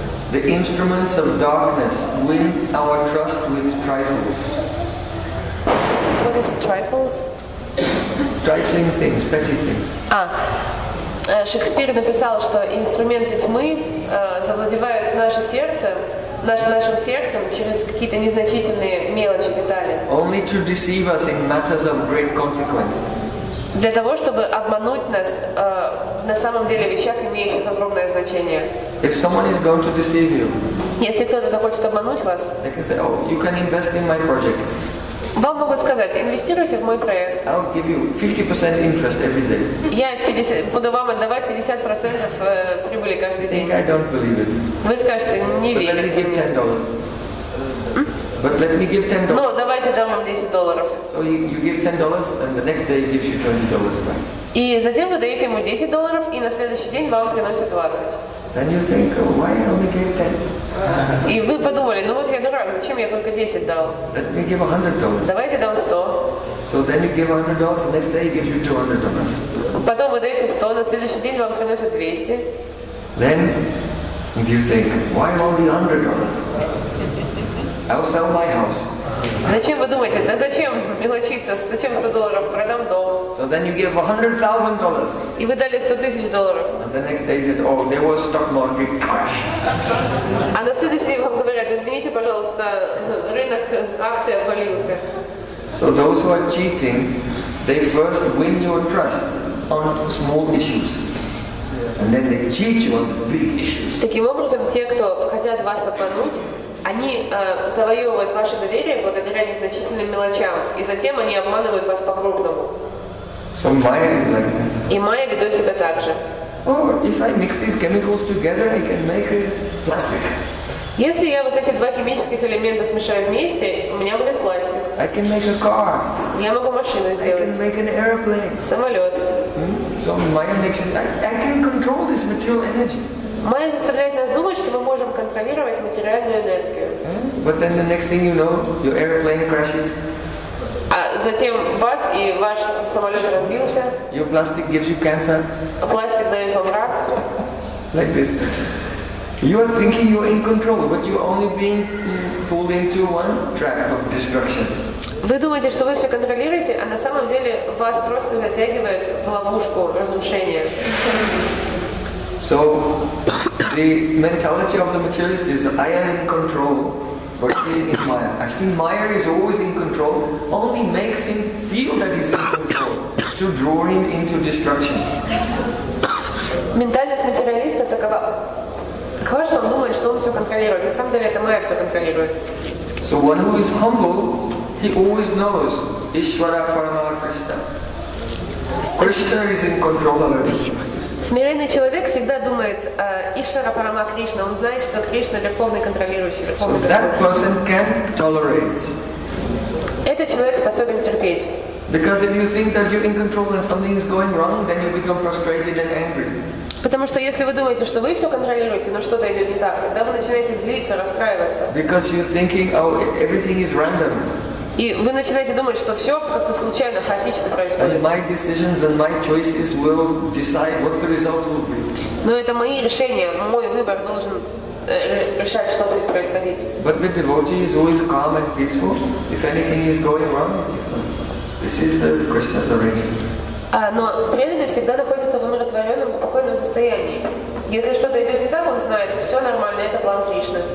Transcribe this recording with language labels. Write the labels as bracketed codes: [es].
[en] The instruments of darkness win our trust with trifles. What is trifles? Trifling things, petty things. [ru] Шекспир написал, что инструменты тьмы завладевают наше сердце, нашим сердцем через какие-то незначительные мелочи, детали. [en] Only to deceive us in matters of great consequence. [ru] Для того, чтобы обмануть нас на самом деле в вещах, имеющих огромное значение. [en] If someone is going to deceive you, [ru] если кто-то захочет обмануть вас, [en] they can say, oh, you can invest in my project. [ru] Вам могут сказать, инвестируйте в мой проект. [en] I'll give you 50% interest every day. [ru] Я буду вам отдавать 50% прибыли каждый день. [en] I don't believe it. [ru] Вы скажете, не верите. [en] But let me give $10. But let me give $10. [ru] Ну, давайте дам вам $10. [en] So you give $10, and the next day he gives you $20 back. [ru] И затем вы даете ему $10, и на следующий день вам приносят 20. [en] Then you think, oh, why I only gave 10? [ru] И вы подумали, ну вот я дурак, зачем я только 10 дал? [en] Let me give $100. [ru] Давайте дам 100. [en] So then you give $100, the next day he gives you $200. [ru] Потом вы даете 100, на следующий день вам приносят 200. [en] Then you think, why only $100? I'll sell my house. [ru] Зачем вы думаете, да зачем мелочиться, зачем $100, продам дом. [en] So then you give $100,000. [ru] И вы дали $100,000. [en] And the next day said, oh, there was stock market crash. [ru] А на следующий день вам говорят, извините, пожалуйста, рынок акций обвалился. [en] So those who are cheating, they first win your trust on small issues. And then they cheat you on the big issues. [ru] Таким образом, те, кто хотят вас обмануть, они завоевывают ваше доверие благодаря незначительным мелочам, и затем они обманывают вас по-крупному. [en] So Maya is like that. [ru] И Майя ведет себя так же. [en] Oh, if I mix these chemicals together, I can make a plastic. [ru] Если я вот эти два химических элемента смешаю вместе, у меня будет пластик. [en] I can make a car. [ru] Я могу машину сделать. [en] I can make an airplane. [ru] Самолет. [en] So Maya makes it, I can control this material energy. [ru] Майя заставляет нас думать, что мы можем контролировать материальную энергию. [en] But then the next thing you know, your airplane crashes. [ru] А затем бац, и ваш самолет разбился. [en] Your plastic gives you cancer. [ru] А пластик дает вам рак. [en] Like this. You are thinking you are in control, but you are only being pulled into one track of destruction. [ru] Вы думаете, что вы все контролируете, а на самом деле вас просто затягивает в ловушку разрушения. [en] So the mentality of the materialist is I am in control, but he's in Maya. Actually, Maya is always in control, only makes him feel that he's in control to draw him into destruction. [ru] Ментальность материалиста такова. Каково, что он думает, что он все контролирует? На самом деле, это Майя все контролирует. [en] So one who is humble, he always knows [sa] Ishvara Paramah Krishna. [en] Krishna is in control of everything. [ru] Смиренный человек всегда думает [sa] Ishvara Paramah Krishna. [ru] Он знает, что Кришна верховный контролирующий. [en] So that person can tolerate. [ru] Этот человек способен терпеть. [en] Because if you think that you're in control and something is going wrong, then you become frustrated and angry. [ru] Потому что если вы думаете, что вы все контролируете, но что-то идет не так, тогда вы начинаете злиться, расстраиваться. [en] Because you're thinking, oh, everything is random. [ru] И вы начинаете думать, что все как-то случайно, хаотично происходит. [en] And my decisions and my choices will decide what the result will be. [ru] Но это мои решения, мой выбор должен решать, что будет происходить. [en] But the devotee is always calm and peaceful. If anything is going wrong, this is the Krishna's arrangement. [ru] Но преданный всегда находится в умиротворенном, спокойном состоянии. Если что-то идет не так, он знает, все нормально, это план Кришны.